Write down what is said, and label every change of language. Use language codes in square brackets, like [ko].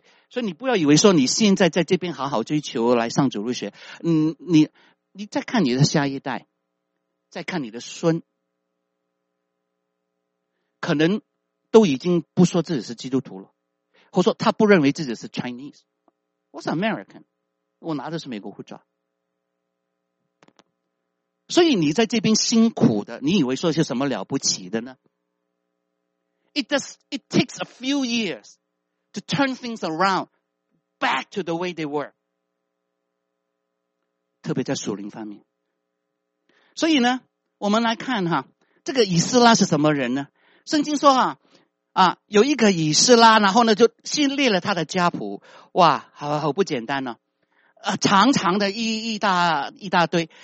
[zh] 所以你不要以为说你现在在这边好好追求来上主日学，你再看你的下一代，再看你的孙，可能都已经不说自己是基督徒了，或说他不认为自己是 Chinese。 [en] What's American? [zh] 我拿的是美国护照。所以你在这边辛苦的，你以为说些什么了不起的呢？ [en] It takes a few years to turn things around back to the way they were. [zh] 特别在属灵方面。所以呢，我们来看哈，这个以斯拉是什么人呢？圣经说啊有一个以斯拉，然后呢就先列了他的家谱。哇，好不简单哦。长长的一大堆。